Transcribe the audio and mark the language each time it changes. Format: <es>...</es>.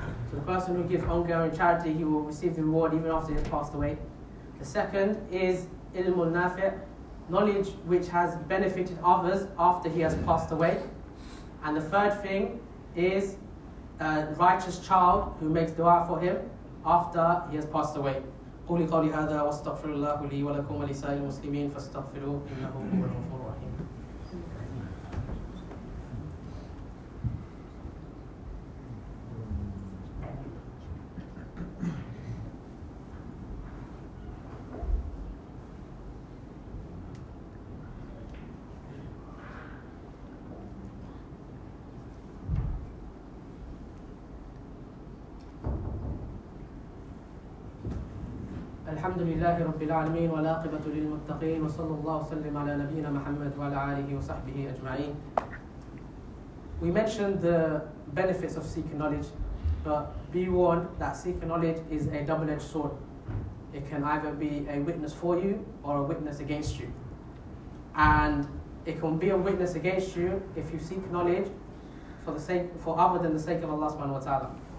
<en>So the person who gives ongoing charity, he will receive the reward even after he has passed away. The second is ilmul nafi', knowledge which has benefited others after he has passed away. And the third thing is a righteous child who makes dua for him after he has passed away.</en> <ar>قولي قولي هذا واستغفر الله لي ولكم ولسائر المسلمين فاستغفروه إنه هو الغفور الرحيم. الحمد لله رب العالمين والعاقبة للمتقين وصلى الله وسلم على نبينا محمد وعلى آله وصحبه أجمعين.</ar> <en>We mentioned the benefits of seeking knowledge, but be warned that seeking knowledge is a double-edged sword. It can either be a witness for you or a witness against you. And it can be a witness against you if you seek knowledge for other than the sake of Allah subhanahu wa ta'ala.</en>